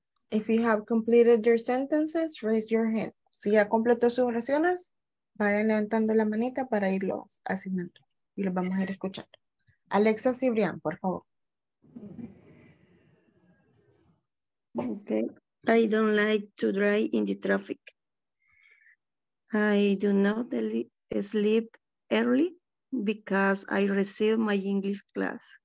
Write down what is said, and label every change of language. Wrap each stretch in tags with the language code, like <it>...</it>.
<en>If you have completed your sentences, raise your hand.</en> <es>Si ya completó sus oraciones, vayan levantando la manita para irlos asignando y los vamos a ir escuchando. Alexa Cibrián, por favor.</es> <en>Okay. I don't like to drive in the traffic. I do not sleep early because I receive my English class.</en>